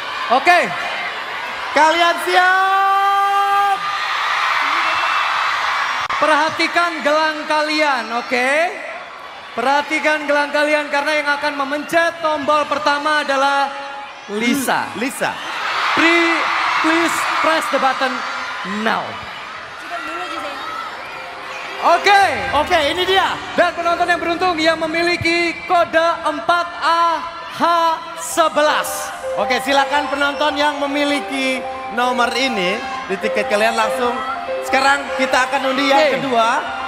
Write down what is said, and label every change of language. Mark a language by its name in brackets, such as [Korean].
[Indonesian] Oke. Kalian siap? Perhatikan gelang kalian, oke? Perhatikan gelang kalian karena yang akan memencet tombol pertama adalah Lisa. Lisa. [English] Please press the button now. [Indonesian] Oke. Oke, ini dia. Dan penonton yang beruntung yang memiliki kode 4AH11. Oke, silakan penonton yang memiliki nomor ini di tiket kalian langsung. Sekarang kita akan undi yang kedua.